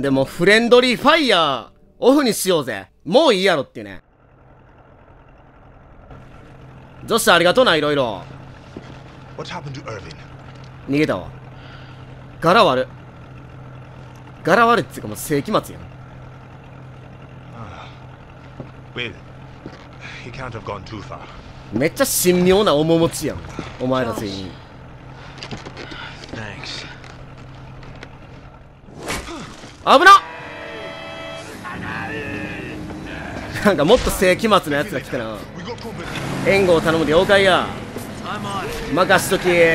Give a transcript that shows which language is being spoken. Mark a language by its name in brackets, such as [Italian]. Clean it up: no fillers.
[Japanese] でもフレンドリーファイヤーオフにしようぜ。もういいやろっていうね。ジョッシュ、ありがとうな、いろいろ。 [English] What happened to Irvin? [Japanese] 逃げたわ。柄悪。柄悪っていうか、もう世紀末やん。 [English] Will, he can't have gone too far. [Japanese] めっちゃ神妙な面持ちやん、お前ら全員。 [English] Thanks. [Japanese] 危なっ。なんかもっと世紀末のやつが来たな。援護を頼むで妖怪や。任しとき。